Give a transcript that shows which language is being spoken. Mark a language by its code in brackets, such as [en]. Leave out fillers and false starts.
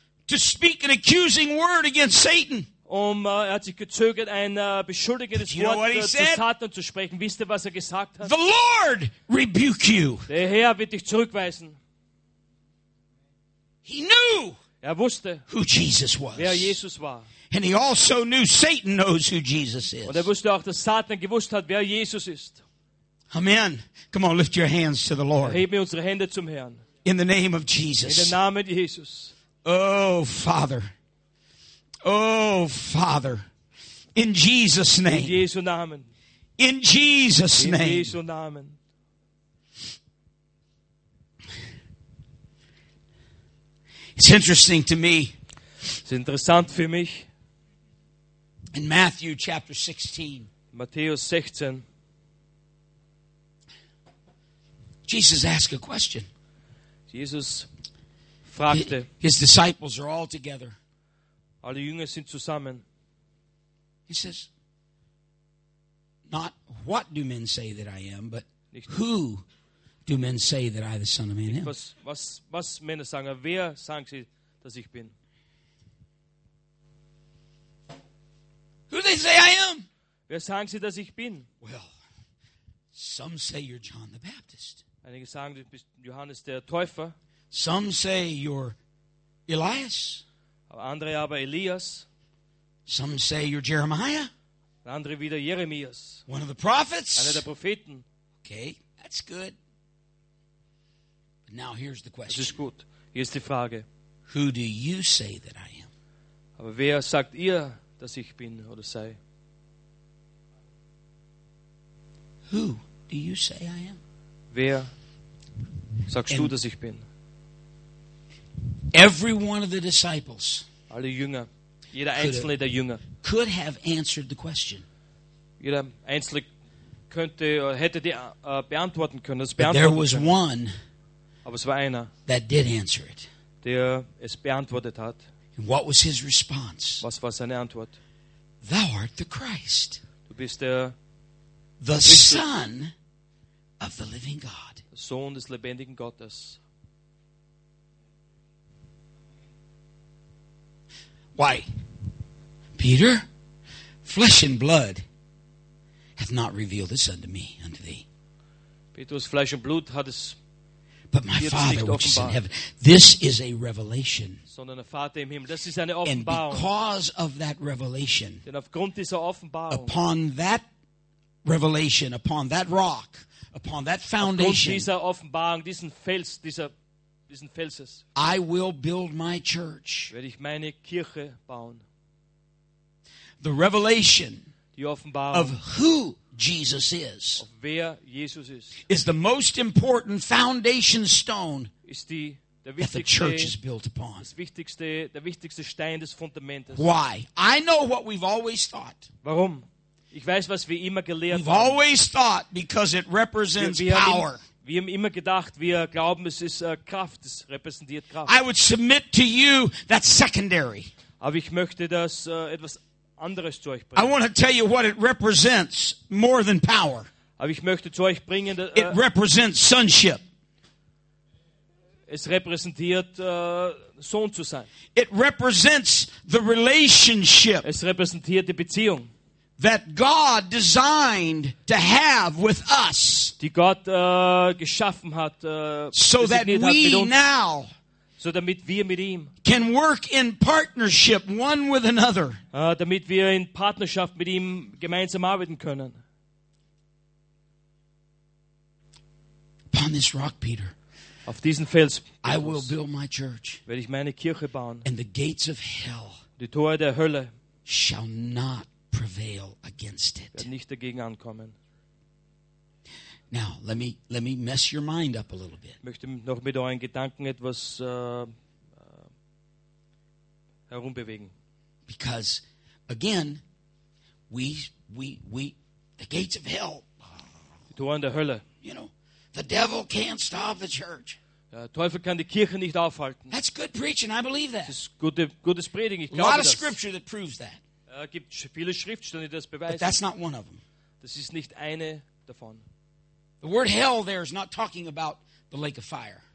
[en] to speak an accusing word against Satan. [de] Er hat sich gezögert, ein beschuldigendes Wort zu Satan zu sprechen. Wisst ihr, was er gesagt hat? [en] The Lord rebuke you. [de] Der Herr wird dich zurückweisen. [en] He knew [de] er wusste, [en] who Jesus was. [de] Wer Jesus war. [en] And he also knew Satan knows who Jesus is. [de] Und wusste auch, dass Satan gewusst hat, wer Jesus ist. [en] Amen. Come on, lift your hands to the Lord. [de] Erheben unsere Hände zum Herrn. [en] In the name of Jesus. [de] In dem Namen Jesus. [en] Oh, Father. Oh, Father. In Jesus' name. [de] In Jesu Namen. [en] In Jesus' name. [de] In Jesu Namen. [en] It's interesting to me. [de] Es ist interessant für mich. [en] In Matthew chapter 16. [de] Matthäus 16. [en] Jesus asked a question. [de] Jesus fragte. [en] His disciples are all together. [de] Alle Jünger sind zusammen. [en] He says, not what do men say that I am, but who do men say that I, the Son of Man, am? [de] Was Männer sagen, wer sagen sie, dass ich bin? [en] Who they say I am? [de] Wer sagen sie, dass ich bin? [en] Well, some say you're John the Baptist. [de] Einige sagen, du bist Johannes der Täufer. [en] Some say you're Elias. [de] Andere aber Elias. [en] Some say you're Jeremiah. [de] Andere wieder Jeremias. [en] One of the prophets. [de] Einer der Propheten. [en] Okay, that's good. But now here's the question. [de] Das ist gut. Hier ist die Frage. [en] Who do you say that I am? [de] Aber wer sagt ihr, dass ich bin oder sei? [en] Who do you say I am? [de] Wer sagst du, dass ich bin? [en] Every one of the disciples. [de] Alle Jünger. Jeder einzelne der Jünger [en] could have answered the question. [de] Jeder einzelne könnte hätte die beantworten können. [en] But there was one. [de] Aber es war einer. [en] That did answer it. [de] Der es beantwortet hat. [en] And what was his response? [de] Was war seine Antwort? [en] Thou art the Christ. [de] Du bist der. [en] The Son of the Living God. [de] Sohn des lebendigen Gottes. [en] Why? Peter, flesh and blood hath not revealed this unto me, unto thee. [de] Petrus, Fleisch und Blut hat es. [en] But my Father which is in heaven. This is a revelation. [de] Sondern der Vater im Himmel. Das ist eine Offenbarung. [en] And because of that revelation, [de] denn aufgrund dieser Offenbarung, [en] upon that revelation, upon that rock, upon that foundation, [de] aufgrund dieser Offenbarung, diesen Fels, dieser Felses, [en] I will build my church. [de] Werde ich meine Kirche bauen. [en] The revelation, [de] die Offenbarung, [en] of who Jesus is, [de] auf wer Jesus ist, [en] is the most important foundation stone [de] ist die, der [en] that the church is built upon. [de] Das wichtigste, der wichtigste Stein des Fundamentes. [en] Why? I know what we've always thought. [de] Warum? Ich weiß, was wir immer gelehrt [en] we've [de] haben. [en] We've always thought because it represents power. [de] Wir haben immer gedacht, wir glauben, es ist Kraft, es repräsentiert Kraft. [en] I would submit to you that's secondary. [de] Aber ich möchte das etwas anderes zu euch bringen. [en] I want to tell you what it represents more than power. [de] Aber ich möchte zu euch bringen, [en] it represents sonship. [de] Es repräsentiert Sohn zu sein. [en] It represents the relationship. [de] Es repräsentiert die Beziehung. [en] That God designed to have with us, [de] die Gott geschaffen hat, [en] so that we now, [de] so damit wir mit ihm, [en] can work in partnership one with another, [de] damit wir in Partnerschaft mit ihm gemeinsam arbeiten können. [en] Upon this rock, Peter, [de] auf diesen Fels, [en] I will build my church, [de] werde ich meine Kirche bauen, [en] and the gates of hell, [de] die Tore der Hölle, [en] shall not prevail against it. [de] Nicht dagegen ankommen. [en] Now, let me mess your mind up a little bit. [de] Möchte noch mit euren Gedanken etwas herumbewegen. [en] Because again, we the gates of hell. [de] Die Tore der Hölle. [en] You know, the devil can't stop the church. [de] Der Teufel kann die Kirche nicht aufhalten. [en] That's good preaching, I believe that. [de] Das ist gutes Predigen, ich glaube das. [en] A lot of scripture that proves that. [de] Es gibt viele Schriftstellen, die das beweisen. [en] But that's not one of them. [de] Das ist nicht eine davon. [en] The word hell there is not talking about the lake of fire.